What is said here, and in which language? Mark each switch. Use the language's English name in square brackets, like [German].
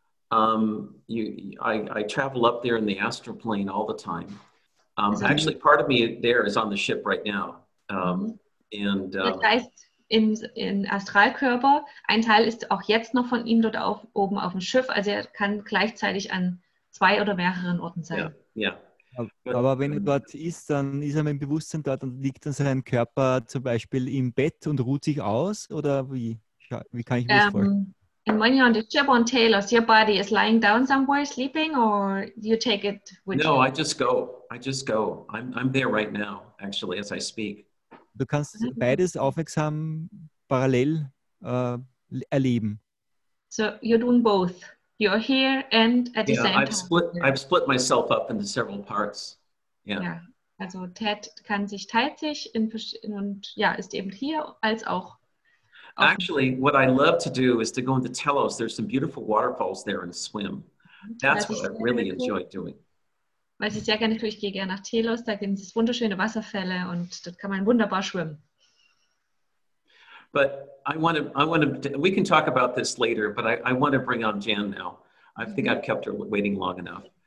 [English] I travel up there in the astral plane all the time. Actually, part of me there is on the ship right now. [German] Das heißt, im Astralkörper, ein Teil ist auch jetzt noch von ihm dort auf, oben auf dem Schiff. Also er kann gleichzeitig an zwei oder mehreren Orten sein. [English] Yeah. [German] Aber wenn er dort ist, dann ist er mit dem Bewusstsein dort und liegt dann sein Körper zum Beispiel im Bett und ruht sich aus? Oder wie kann ich mir das vorstellen? [English] And when you're on the ship on Taylor's, your body is lying down somewhere sleeping, or you take it with no, you? No, I just go. I'm there right now, actually, as I speak. [German] Du kannst beides aufmerksam parallel erleben. [English] So you're doing both. You're here and at the same time. I've split myself up into several parts. Yeah. [German] Also Ted kann sich teilzig ist eben hier als auch. [English] Actually, what I love to do is to go into Telos. There's some beautiful waterfalls there and swim. That's what I really enjoy doing. [German] Was ich sehr gerne tue, ich gehe gerne nach Telos. Da gibt es wunderschöne Wasserfälle und dort kann man wunderbar schwimmen. [English] But we can talk about this later, but I want to bring on Jan now. I think I've kept her waiting long enough.